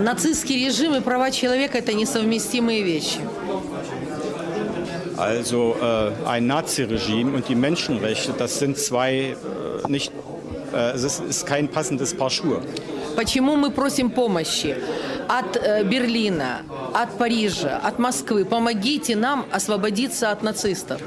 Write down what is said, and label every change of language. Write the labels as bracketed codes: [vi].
[ru] Нацистский режим и права человека – это несовместимые вещи. [de] Also ein Nazi-Regime und die Menschenrechte, das sind zwei nicht, es ist kein passendes Paar Schuhe. [ru] Почему мы просим помощи от Берлина, от Парижа, от Москвы? Помогите нам освободиться от нацистов.